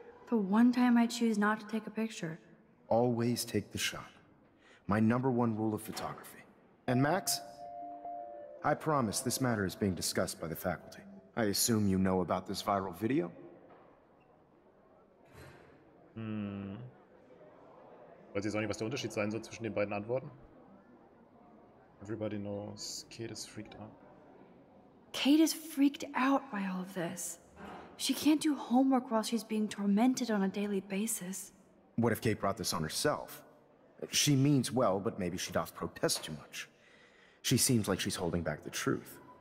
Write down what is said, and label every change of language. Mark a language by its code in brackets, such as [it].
[en] The one time I choose not to take a picture. Always take the shot. My number one rule of photography. And Max, I promise this matter is being discussed by the faculty. I assume you know about this viral video? [de] Weiß jetzt auch nicht, was der Unterschied sein soll zwischen den beiden Antworten. [en] Everybody knows Kate is freaked out. Kate is freaked out by all of this. She can't do homework while she's being tormented on a daily basis. What if Kate brought this on herself? She means well, but maybe she doth protest too much. She seems like she's holding back the truth.